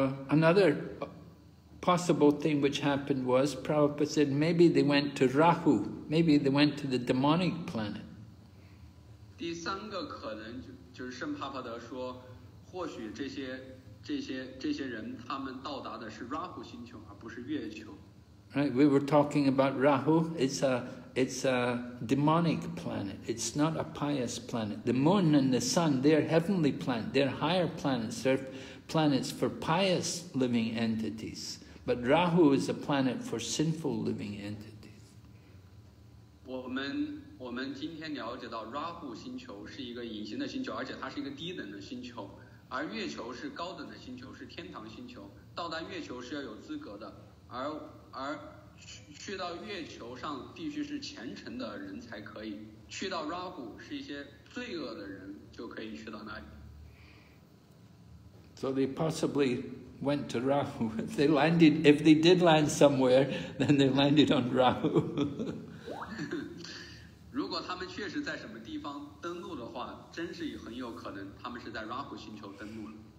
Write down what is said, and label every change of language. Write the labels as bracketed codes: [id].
[en] Another possible thing which happened was Prabhupada said maybe they went to Rahu. Maybe they went to the demonic planet. [zh] 第三个可能就是圣帕帕德说，或许这些人他们到达的是 Rahu 星球，而不是月球。 [en] Right, we were talking about Rahu. It's a demonic planet. It's not a pious planet. The moon and the sun, they're heavenly planets. They're higher planets. They're planets for pious living entities. But Rahu is a planet for sinful living entities. [zh] 我们今天了解到 Rahu 星球是一个隐形的星球，而且它是一个低等的星球，而月球是高等的星球，是天堂星球，到达月球是要有资格的，而去到月球上必须是虔诚的人才可以，去到 Rahu 是一些罪恶的人就可以去到那里。 [en] So they possibly went to Rahu. They landed, if they did land somewhere, then they landed on Rahu. [zh] 如果他们确实在什么地方登陆的话，真是很有可能他们是在 Rahu 星球登陆了。